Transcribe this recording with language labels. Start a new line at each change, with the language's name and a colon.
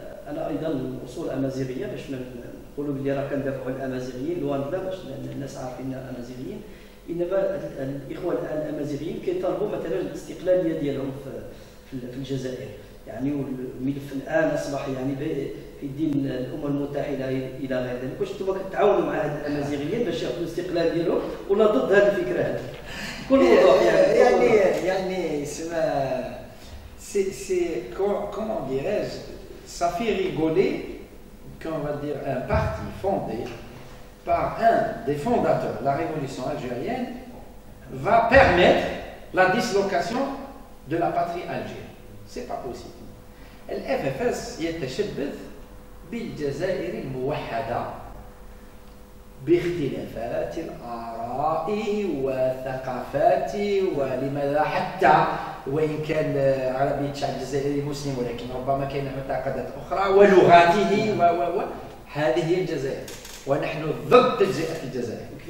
Arabic: أنا أيضا أصول أمازيغية باش نقولوا بلي راه كندافعوا الأمازيغيين لوان بلا باش الناس عارفين أمازيغيين، إنما الإخوة الأمازيغيين كيطالبوا مثلا الاستقلالية ديالهم في الجزائر، يعني والملف الآن أصبح يعني في دين الأمم المتحدة إلى غير ذلك، واش أنتم كتعاونوا مع هاد الأمازيغيين باش ياخذوا الاستقلال ديالهم ولا ضد هذه الفكرة هذه؟ بكل وضوح يعني.
French: يعني سما سي كومون ديراج ça fait rigoler qu'on va dire un parti fondé par un des fondateurs de la révolution algérienne va permettre la dislocation de la patrie algérienne. C'est pas possible.
Arabic: L'FFS يتشبث بالجزائر الموحدة باختلافات الآراء والثقافات ولماذا حتى وإن كان عربي الشعب الجزائري مسلم ولكن ربما كان معتقدات أخرى ولغاته و هذه هي الجزائر ونحن ضد تجزئة الجزائر.